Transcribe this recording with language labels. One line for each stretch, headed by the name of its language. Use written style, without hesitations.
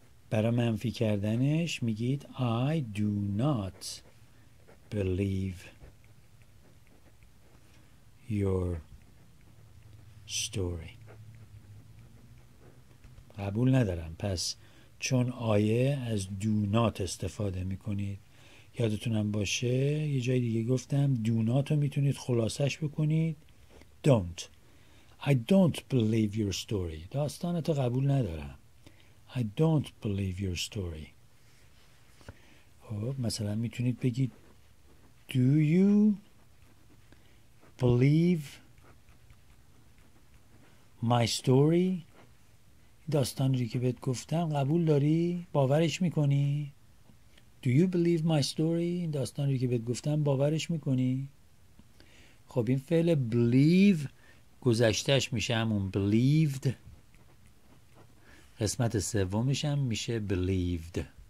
Persian: برای منفی کردنش میگید
English: I do not believe your story.
Persian: قبول ندارم. پس چون آیه از
English: do not
Persian: استفاده میکنید، یادتونم باشه یه جای دیگه گفتم do not رو میتونید خلاصش بکنید
English: don't. I don't believe your story.
Persian: داستانت رو قبول ندارم.
English: I don't believe your story.
Persian: خب مثلا میتونید بگید
English: Do you believe my story؟
Persian: داستان رو که بهت گفتم قبول داری؟ باورش میکنی؟ Do you believe my story؟ داستان رو که بهت گفتم باورش میکنی؟ خب این فعل believe گذشتهش میشه همون believed، قسمت سومش هم میشه believed.